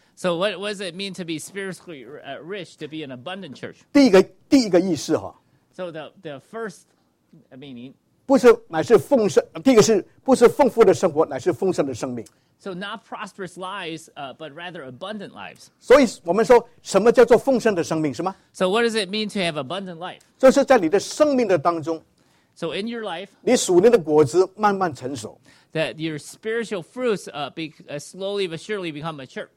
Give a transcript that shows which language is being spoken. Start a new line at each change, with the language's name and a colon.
English: So what does it mean to be spiritually rich, to be an abundant church?
Chinese: 第一个意思哈。
English: So the first meaning
Chinese: 不是乃是丰盛，第一个是不是丰富的生活，乃是丰盛的生命。
English: So not prosperous lives, but rather abundant lives.
Chinese: 所以我们说什么叫做丰盛的生命是吗
English: ？So what does it mean to have abundant life?
Chinese: 就是在你的生命的当中
English: ，So in your life,
Chinese: 你属灵的果子慢慢成熟
English: ，That your spiritual fruits slowly but surely become mature.